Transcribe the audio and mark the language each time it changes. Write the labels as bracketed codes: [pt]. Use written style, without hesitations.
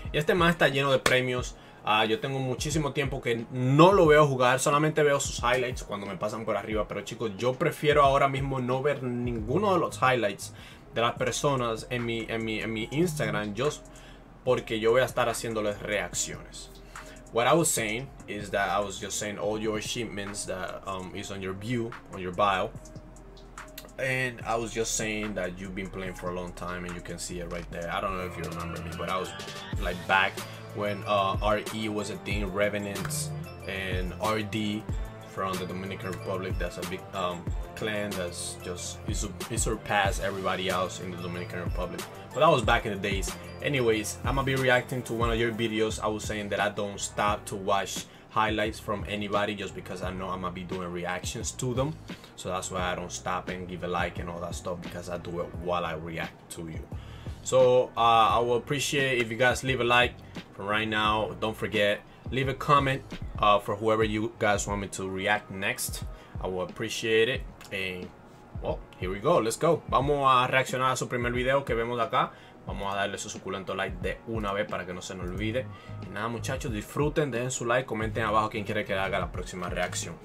[es] Y este man está lleno de premios. Yo tengo muchísimo tiempo que no lo veo jugar, solamente veo sus highlights cuando me pasan por arriba. Pero chicos, yo prefiero ahora mismo no ver ninguno de los highlights de las personas en mi Instagram. Yo... porque yo voy a estar haciéndoles reacciones. [en] What I was saying is that I was just saying all your achievements that is on your view, on your bio. And I was just saying that you've been playing for a long time and you can see it right there. I don't know if you remember me, but I was like back when RE was a thing, Revenants and RD from the Dominican Republic. That's a big clan that's just, it surpassed everybody else in the Dominican Republic. But that was back in the days. Anyways, I'm gonna be reacting to one of your videos. I was saying that I don't stop to watch highlights from anybody just because I know I'm gonna be doing reactions to them. So that's why I don't stop and give a like and all that stuff, because I do it while I react to you. So I will appreciate if you guys leave a like for right now. Don't forget, leave a comment for whoever you guys want me to react next. I will appreciate it. And well, here we go, let's go. [es] Vamos a reaccionar a su primer video que vemos acá. Vamos a darle su suculento like de una vez para que no se nos olvide. Y nada, muchachos, disfruten, dejen su like, comenten abajo quién quiere que haga la próxima reacción.